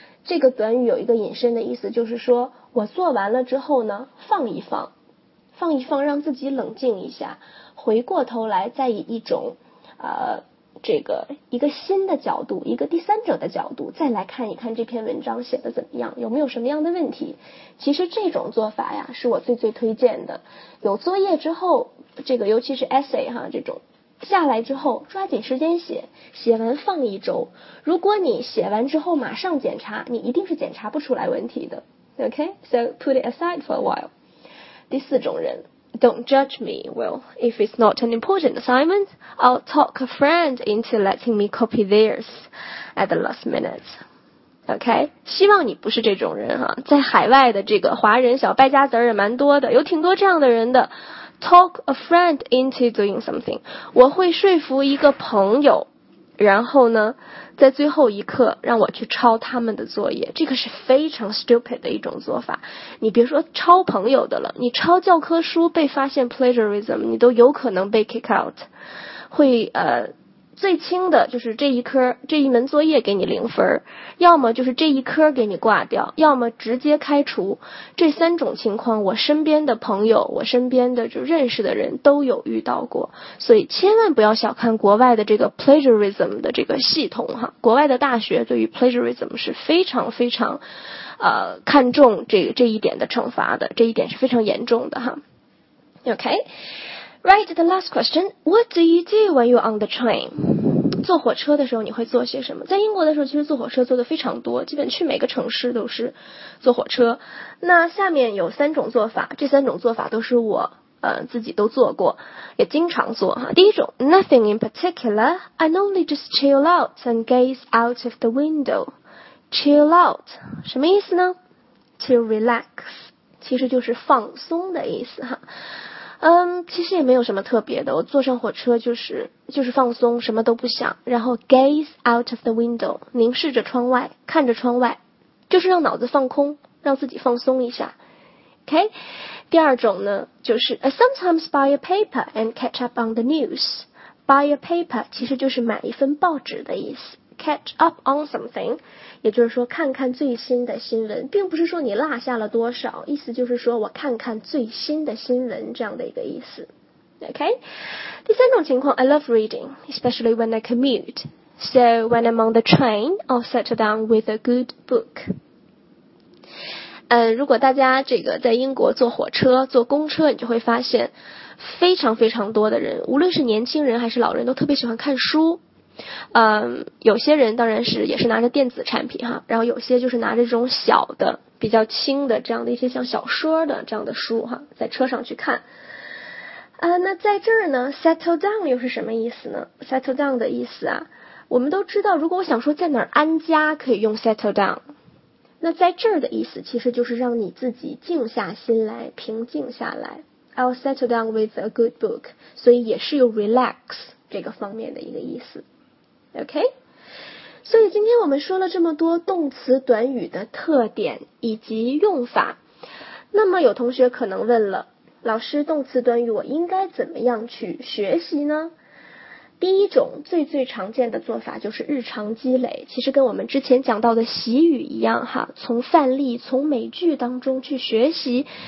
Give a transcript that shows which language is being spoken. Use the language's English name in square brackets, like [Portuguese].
[Chinese] 这个短语有一个引申的意思，就是说我做完了之后呢，放一放，放一放，让自己冷静一下，回过头来再以一种这个一个新的角度，一个第三者的角度，再来看一看这篇文章写的怎么样，有没有什么样的问题。其实这种做法呀，是我最最推荐的。有作业之后，这个尤其是 essay 哈，这种下来之后抓紧时间写，写完放一周。如果你写完之后马上检查，你一定是检查不出来问题的。 [English] OK, so put it aside for a while. [Chinese] 第四种人， [English] Don't judge me. Well, if it's not an important assignment, I'll talk a friend into letting me copy theirs at the last minute. [Chinese] Okay? 希望你不是这种人哈。在海外的这个华人小败家子儿也蛮多的，有挺多这样的人的。 [English] Talk a friend into doing something. [Chinese] 我会说服一个朋友，然后呢，在最后一刻让我去抄他们的作业，这个是非常 stupid 的一种做法。你别说抄朋友的了，你抄教科书被发现 plagiarism, 你都有可能被 kick out, 会最轻的就是这一科这一门作业给你零分，要么就是这一科给你挂掉，要么直接开除。这三种情况我身边的朋友，我身边的就认识的人都有遇到过，所以千万不要小看国外的这个 plagiarism 的这个系统哈。国外的大学对于 plagiarism 是非常非常看重这一点的惩罚的，这一点是非常严重的哈。 [English] OK,Right, the last question. What do you do when you're on the train? [Chinese] 坐火车的时候你会做些什么？在英国的时候其实坐火车坐的非常多，基本去每个城市都是坐火车。那下面有三种做法，这三种做法都是我自己都做过，也经常做哈。第一种， [English] Nothing in particular, I normally just chill out and gaze out of the window. Chill out, [Chinese] 什么意思呢？ [English] To relax, [Chinese] 其实就是放松的意思哈。其实也没有什么特别的，我坐上火车就是放松，什么都不想，然后 [English] gaze out of the window, [Chinese] 凝视着窗外，看着窗外，就是让脑子放空，让自己放松一下。 [English] OK, [Chinese] 第二种呢，就是 [English] sometimes buy a paper and catch up on the news. Buy a paper [Chinese] 其实就是买一份报纸的意思， [English] catch up on something [Chinese] 也就是说看看最新的新闻，并不是说你落下了多少，意思就是说我看看最新的新闻，这样的一个意思。 [English] OK, [Chinese] 第三种情况， [English] I love reading, especially when I commute. So when I'm on the train, I'll settle down with a good book. [Chinese] 如果大家这个在英国坐火车坐公车，你就会发现非常非常多的人，无论是年轻人还是老人，都特别喜欢看书。有些人当然是也是拿着电子产品哈，然后有些就是拿着这种小的比较轻的这样的一些像小说的这样的书哈，在车上去看。那在这儿呢， settle down 又是什么意思呢？settle down 的意思啊，我们都知道如果我想说在哪儿安家可以用 settle down, 那在这儿的意思其实就是让你自己静下心来，平静下来。 [English] I'll settle down with a good book, [Chinese] 所以也是有 [English] relax [Chinese] 这个方面的一个意思。 OK, 所以今天我们说了这么多动词短语的特点以及用法。那么有同学可能问了，老师，动词短语我应该怎么样去学习呢？第一种最最常见的做法就是日常积累，其实跟我们之前讲到的习语一样哈，从范例，从美剧当中去学习。